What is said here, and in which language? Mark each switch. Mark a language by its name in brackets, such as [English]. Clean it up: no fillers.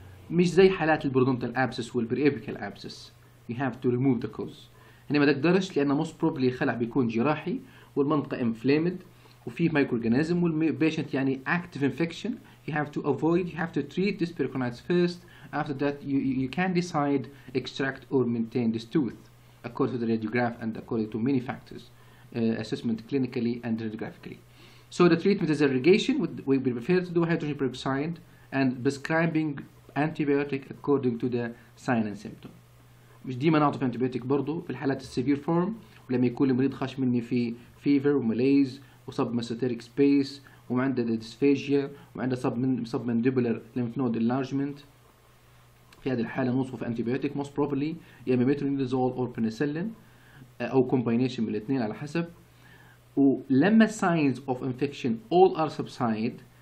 [Arabic] مش زي حالات البرودونتال ابسس والبريابيكال ابسس. [English] You have to remove the cause. [Arabic] هنا ما تقدرش لأن [English] most probably [Arabic] الخلع بيكون جراحي والمنطقة inflamed وفيه microorganism والبيشنت يعني active infection. [English] You have to avoid, you have to treat this pericoronitis first. After that you can decide extract or maintain this tooth according to the radiograph and according to many factors, assessment clinically and radiographically. So the treatment is irrigation. We prefer to do hydrogen peroxide and prescribing antibiotic according to the sign and symptom. [Arabic] مش ديما نعطي antibiotic برضو في الحالات السيفير فورم، ولما يكون المريض خاش مني في فيفر وملايز وصب مستيريك سبيس وعنده ديسفاجيا وعنده صب مانديبولر لمف نود انلارجمنت. في هذه الحالة نوصف antibiotic [English] most probably [Arabic] يا اما metronidazole or penicillin او combination من الاثنين على حسب. ولما [English] signs of infection all are subside